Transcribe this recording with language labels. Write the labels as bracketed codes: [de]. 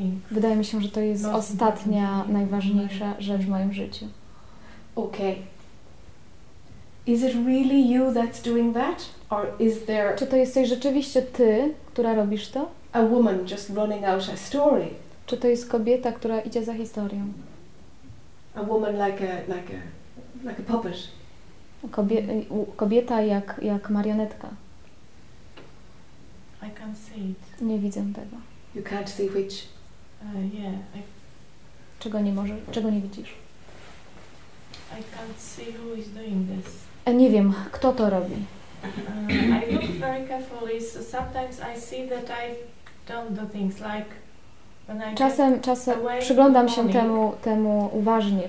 [pl] Wydaje mi się, że to jest ostatnia, najważniejsza rzecz w moim życiu. Okej. [en] Is it really you that's doing that, or is there? [pl] Czy to jesteś rzeczywiście ty, która robisz to? [en] A woman just running out a story. [pl] Czy to jest kobieta, która idzie za historią? [en] A woman like a puppet. [pl] Kobieta jak marionetka. [en] I can't see it. [pl] Nie widzę tego. [en] You can't see which. [pl] Czego nie możesz, czego nie widzisz? [en] I can't see who is doing this. [pl] Nie wiem, kto to robi. [en] I look very carefully. So sometimes I see that I don't do things like [pl] Czasem przyglądam się temu uważnie.